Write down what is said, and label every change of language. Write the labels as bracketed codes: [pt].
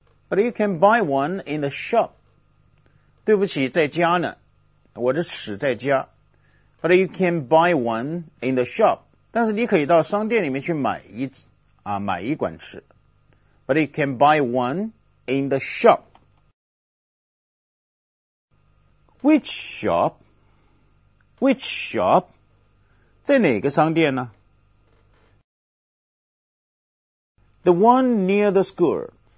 [en] But you can buy one in the shop. [zh] 对不起，在家呢，我的尺在家。 [en] But you can buy one in the shop. [zh] 但是你可以到商店里面去买一管尺。 [en] But you can buy one in the shop. Which shop? Which shop? [zh] 在哪个商店呢？ [en] The one near the school.